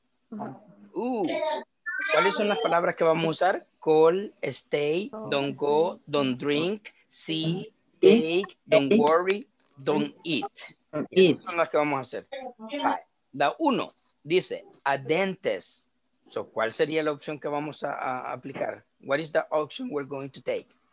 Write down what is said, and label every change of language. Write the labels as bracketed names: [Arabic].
[Spanish] ¿Cuáles son las palabras que vamos a usar? [English] Call, stay, don't go, don't drink, see, take, don't worry, don't eat. [Spanish] Esas son las que vamos a hacer. La uno dice [English] a dentist. [Spanish] So, ¿cuál sería la opción que vamos a aplicar? [English] What is the option we're going to take?